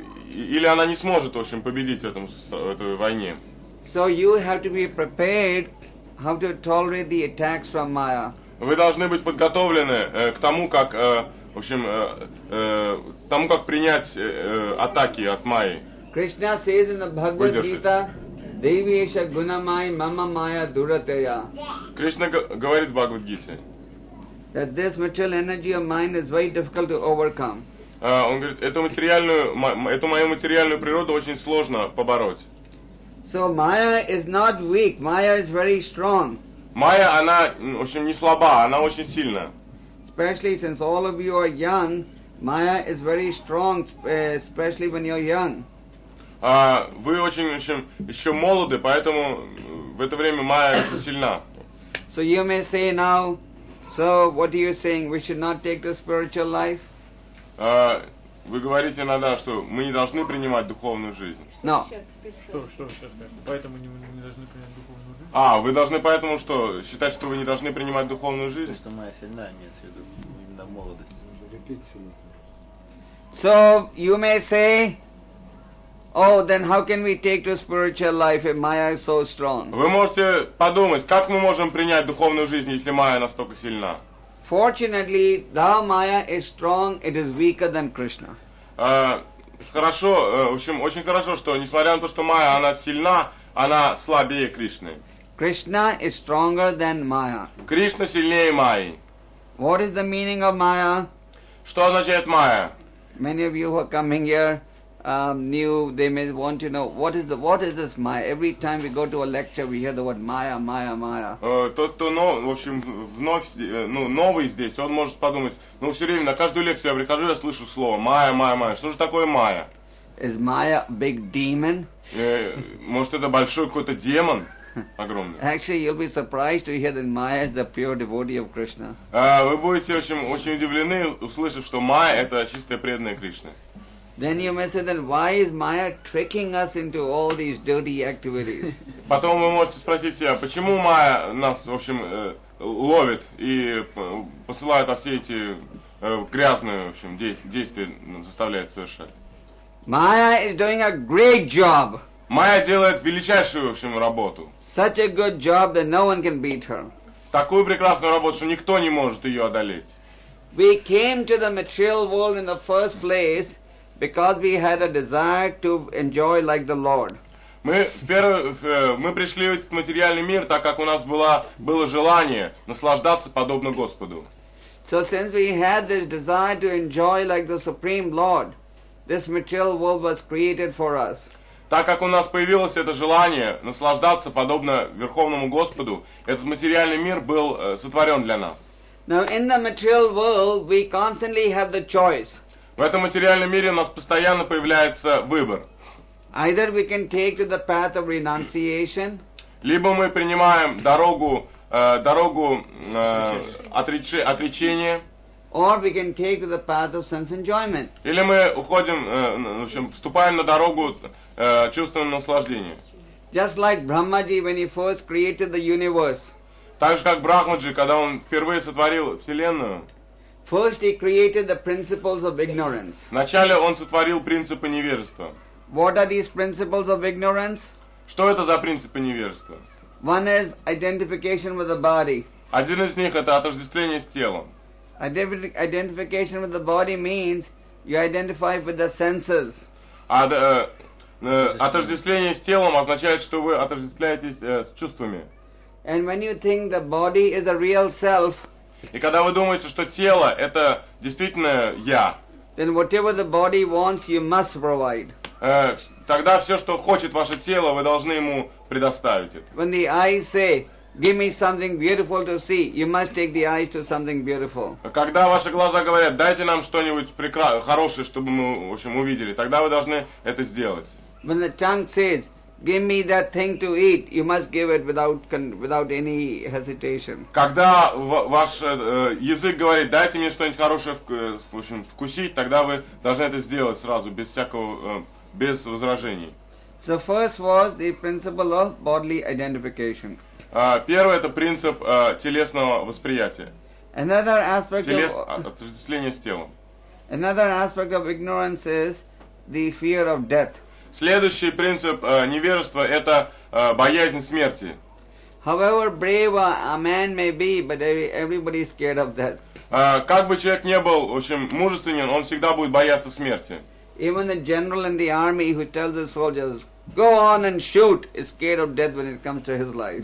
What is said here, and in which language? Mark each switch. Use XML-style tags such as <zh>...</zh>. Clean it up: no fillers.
<ru>Или она не сможет, в общем, победить в этой войне.</ru> <en>So you have to be prepared how to tolerate the attacks from Maya.</en> <ru>Вы должны быть подготовлены к тому, как, в общем, тому, как принять атаки от Майи.</ru> <en>Krishna says in the Bhagavad Gita,</en> <sa>Devesha Gunamai Mama Maya Durateya.</sa> <ru>Кришна говорит в Бхагавад Гите.</ru> <en>That this material energy of mine is very difficult to overcome.</en> <ru>Он говорит, эту мою материальную природу очень сложно побороть.</ru> <en>So Maya is not weak. Maya is very strong.</en> <ru>Майя, она, в общем, не слаба, она очень сильна.</ru> <en>Especially since all of you are young, Maya is very strong, especially when you're young.</en> <ru>Вы очень, в общем, еще молоды, поэтому в это время Майя очень сильна.</ru> <en>So you may say now, so what are you saying? We should not take to spiritual life?</en> <ru>Вы говорите иногда, что мы не должны принимать духовную жизнь. No. Что сейчас скажете? Поэтому не должны принимать духовную жизнь? Вы должны поэтому что? Считать, что вы не должны принимать духовную жизнь? Потому что моя сильная, нет, в виду именно молодость.</ru> <en>So, you may say, oh, then how can we take to spiritual life if Maya is so strong?</en> <ru>Вы можете подумать, как мы можем принять духовную жизнь, если Майя настолько сильна?</ru> <en>Fortunately, though Maya is strong, it is weaker than Krishna.</en> <ru>Хорошо, в общем, очень хорошо, что несмотря на то, что Майя, она сильна, она слабее Кришны.</ru> <en>Krishna is stronger than Maya.</en> <ru>Кришна сильнее Майи.</ru> <en>What is the meaning of Maya?</en> <ru>Что означает Майя?</ru> <en>Many of you who are coming here new, they may want to know what is this Maya? Every time we go to a lecture, we hear the word Maya, Maya, Maya.</en> <ru>Новый здесь, он может подумать, ну все время на каждую лекцию я прихожу, я слышу слово Maya, Maya, Maya. Что же такое Maya?</ru> <en>Is Maya a big demon?</en> <ru>Может это большой какой-то демон? Огромный.</ru> <en>Actually, you'll be surprised to hear that Maya is a pure devotee of Krishna.</en> <ru>Вы будете очень удивлены, услышав, что Майя это чистая преданная Кришны.</ru> <en>Then you may say, then why is Maya tricking us into all these dirty activities?</en> <ru>Потом вы можете спросить себя, почему Майя нас, в общем, ловит и посылает, а все эти грязные, в общем, действия заставляет совершать.</ru> <en>Maya is doing a great job.</en> <ru>Maya делает величайшую, в общем, работу.</ru> <en>Such a good job that no one can beat her.</en> <ru>Такую прекрасную работу, что никто не может ее одолеть.</ru> <en>We came to the material world in the first place because we had a desire to enjoy like the Lord.</en> <ru>Мы пришли в этот материальный мир, так как у нас было желание наслаждаться подобно Господу.</ru> <en>So since we had this desire to enjoy like the Supreme Lord, this material world was created for us.</en> <ru>Так как у нас появилось это желание наслаждаться подобно Верховному Господу, этот материальный мир был сотворен для нас.</ru> <en>Now in the material world we constantly have the choice.</en> <ru>В этом материальном мире у нас постоянно появляется выбор.</ru> <en>Either we can take to the path of renunciation.</en> <ru>Либо мы принимаем дорогу отречения.</ru> <en>Or we can take to the path of sense enjoyment.</en> <ru>Или мы уходим, в общем, вступаем на дорогу чувственного наслаждения.</ru> <en>Just like Brahmaji when he first created the universe.</en> <ru>Так же как Брахмаджи, когда он впервые сотворил вселенную.</ru> <en>First he created the principles of ignorance.</en> <ru>Вначале он сотворил принципы невежества.</ru> <en>What are these principles of ignorance?</en> <ru>Что это за принципы невежества?</ru> <en>One is identification with the body.</en> <ru>Один из них это отождествление с телом.</ru> <en>Identification with the body means you identify with the senses.</en> <ru>Отождествление с телом означает, что вы отождествляетесь с чувствами.</ru> <en>And when you think the body is a real self,</en> <ru>и когда вы думаете, что тело это действительно я,</ru> <en>then whatever the body wants, you must provide.</en> <ru>Тогда все, что хочет ваше тело, вы должны ему предоставить это.</ru> <en>When the eyes say, give me something beautiful to see, you must take the eyes to something beautiful.</en> <ru>Когда ваши глаза говорят, дайте нам что-нибудь хорошее, чтобы мы, в общем, увидели, тогда вы должны это сделать.</ru> <en>When the tongue says, give me that thing to eat, you must give it without any hesitation.</en> <ru>Когда ваш язык говорит, дайте мне что-нибудь хорошее, в общем, вкусить, тогда вы должны это сделать сразу, без всякого, без возражений.</ru> <en>So first was the principle of bodily identification.</en> <ru>Первое это принцип телесного восприятия.</ru> <en>Another aspect</en> <ru>отождествление с телом.</ru> <en>Another aspect of ignorance is the fear of death.</en> <ru>Следующий принцип невежества это боязнь смерти.</ru> <en>However brave a man may be, but everybody is scared of death.</en> <ru>Как бы человек не был, в общем, мужественен, он всегда будет бояться смерти.</ru> <en>Even the general in the army who tells his soldiers, go on and shoot, is scared of death when it comes to his life.</en>